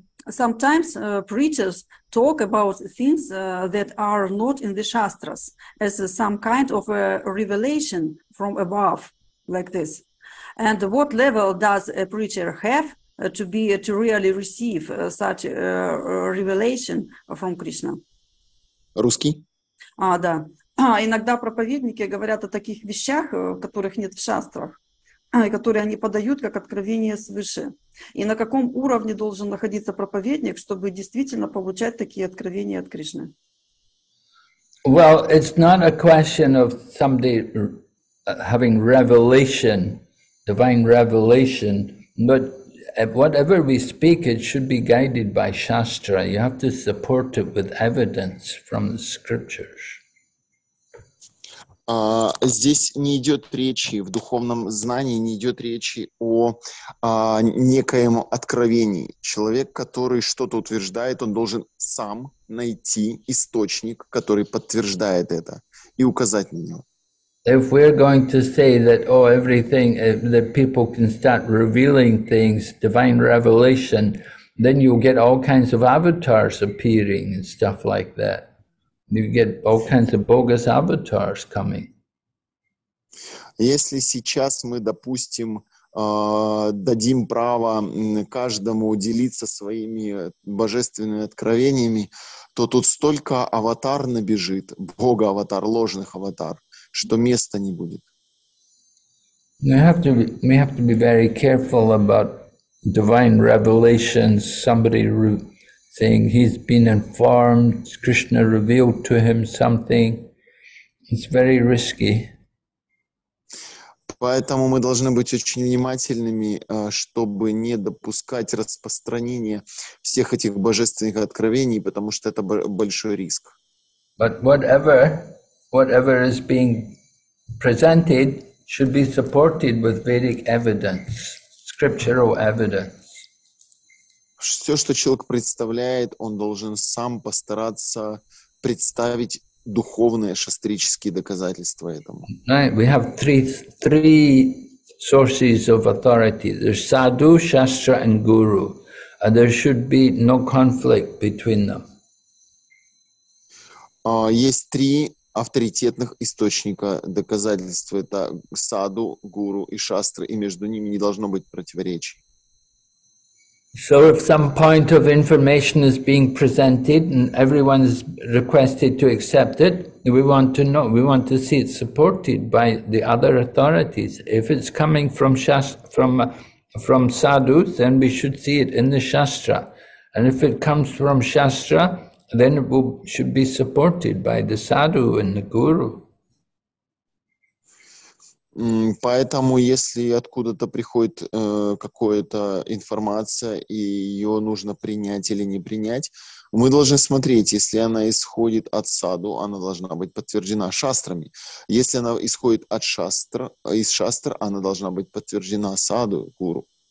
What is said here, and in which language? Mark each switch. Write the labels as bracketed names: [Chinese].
[English] Sometimes preachers talk about things that are not in the Shastras as some kind of a revelation from above, like this. And what level does a preacher have to be to really receive such a revelation from Krishna? [Russian] Русский? Да. Иногда проповедники говорят о таких вещах, которых нет в Шастрах, которые они подают как откровение свыше. И на каком уровне должен находиться проповедник, чтобы действительно получать такие откровения от Кришны? [English] Well, it's not a question of somebody having revelation, divine revelation, but whatever we speak, it should be guided by Shastra. You have to support it with evidence from the scriptures. [Russian] Здесь не идет речи, в духовном знании не идет речи о некоем откровении. Человек, который что-то утверждает, он должен сам найти источник, который подтверждает это, и указать на него. [English] If we're going to say that, oh, everything, that people can start revealing things, divine revelation, then you'll get all kinds of avatars appearing and stuff like that. You get all kinds of bogus avatars coming. [Russian] Если сейчас мы, допустим, дадим право каждому делиться своими божественными откровениями, то тут столько аватар набежит, бога аватар, ложных аватар, что места не будет. [English] We have to be very careful about divine revelations. Somebody saying he's been informed, Krishna revealed to him something. It's very risky. [Russian] Поэтому мы должны быть очень внимательными, чтобы не допускать распространения всех этих божественных откровений, потому что это большой риск. [English] But whatever is being presented should be supported with Vedic evidence, scriptural evidence. [Russian] Все, что человек представляет, он должен сам постараться представить духовные шастрические доказательства этому. [English] Right. We have three sources of authority. There's sadhu, shastra and guru. And there should be no conflict between them. [Russian] Есть три авторитетных источника доказательства. Это саду, гуру и шастра, и между ними не должно быть противоречий. [English] So if some point of information is being presented and everyone is requested to accept it, we want to know, we want to see it supported by the other authorities. If it's coming from sadhus, then we should see it in the Shastra. And if it comes from Shastra, then it should be supported by the sadhu and the guru. [Russian] Поэтому, если откуда-то приходит какая-то информация, и ее нужно принять или не принять, мы должны смотреть, если она исходит от саду, она должна быть подтверждена шастрами. Если она исходит от шастр, из шастр, она должна быть подтверждена саду, гуру.